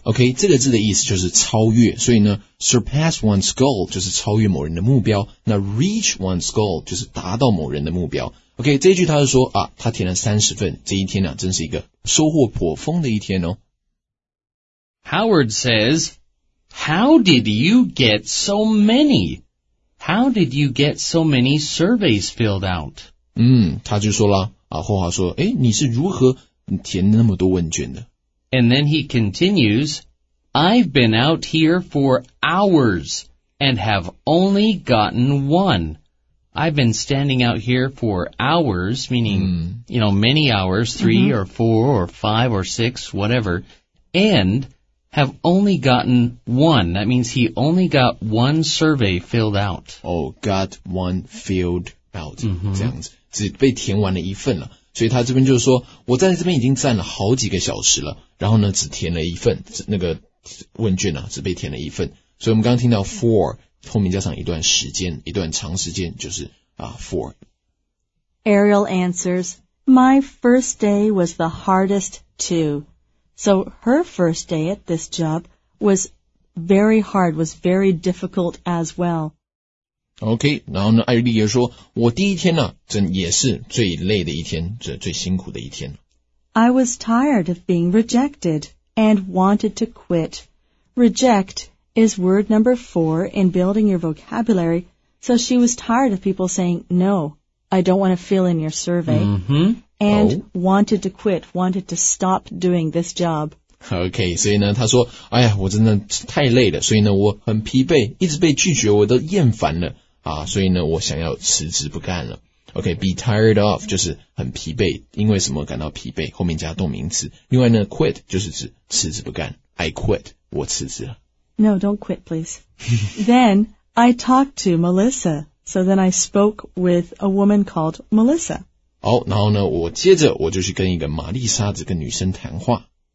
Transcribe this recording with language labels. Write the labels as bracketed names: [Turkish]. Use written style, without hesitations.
[Chinese] Okay, 这个字的意思就是超越，所以呢 [English] surpass one's goal [Chinese] 就是超越某人的目标，那 [English] reach one's goal [Chinese] 就是达到某人的目标。 OK, 这一句他是说啊，他填了30份，这一天呢真是一个收获颇丰的一天哦。 [English] Howard says, How did you get so many? How did you get so many surveys filled out? [Chinese] 他就说了啊，霍华说，诶，你是如何填那么多问卷的？ [English] And then he continues, I've been out here for hours and have only gotten one. I've been standing out here for hours, meaning,you know, many hours, three,or four, or five, or six, whatever, and have only gotten one. That means he only got one survey filled out. Oh, got one filled out, [Chinese] 这样子,只被填完了一份了。所以他这边就是说,我在这边已经站了好几个小时了,然后呢,只填了一份,那个问卷啊,只被填了一份。所以我们刚刚听到 for,后面加上一段时间，一段长时间，就是for. [English] Ariel answers, My first day was the hardest too. So her first day at this job was very hard, was very difficult as well. [Chinese] Okay, 然后呢，艾丽也说，我第一天呢，真也是最累的一天，最辛苦的一天。 [English] I was tired of being rejected and wanted to quit. Reject. Is word number four in building your vocabulary. So she was tired of people saying, no, I don't want to fill in your survey. And wanted to quit, wanted to stop doing this job. [Chinese] Okay, 所以呢她说哎呀我真的太累了所以呢我很疲惫一直被拒绝我都厌烦了。所以呢我想要辞职不干了。Okay, be tired of, 就是很疲惫因为什么感到疲惫后面加动名词。另外呢 quit, 就是指辞职不干。 [English] I quit, [Chinese] 我辞职了。 [English] No, don't quit, please. Then I talked to Melissa. So then I spoke with a woman called Melissa. [Chinese] 好、oh, 然后呢我接着我就去跟一个玛丽莎这个女生谈话。